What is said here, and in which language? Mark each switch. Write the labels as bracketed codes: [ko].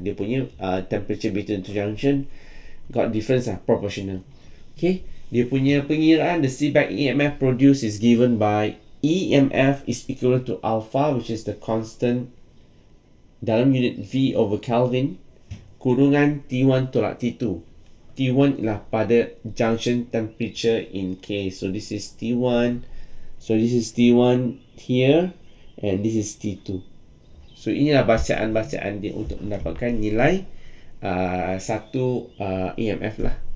[ms] Dia punya [en] temperature between two junction got difference lah, proportional. Okay. [ms] Dia punya pengiraan, [en] the seebeck EMF produced is given by EMF is equal to alpha, which is the constant [ms] dalam [en] unit V over Kelvin, [ms] kurungan [en] T1 [ms] tolak [en] T2. T1 [ms] ialah pada [en] junction temperature in K. So this is T1. So this is T1 here and this is T2. [ms] So inilah bacaan-bacaan dia untuk mendapatkan nilai satu EMF lah.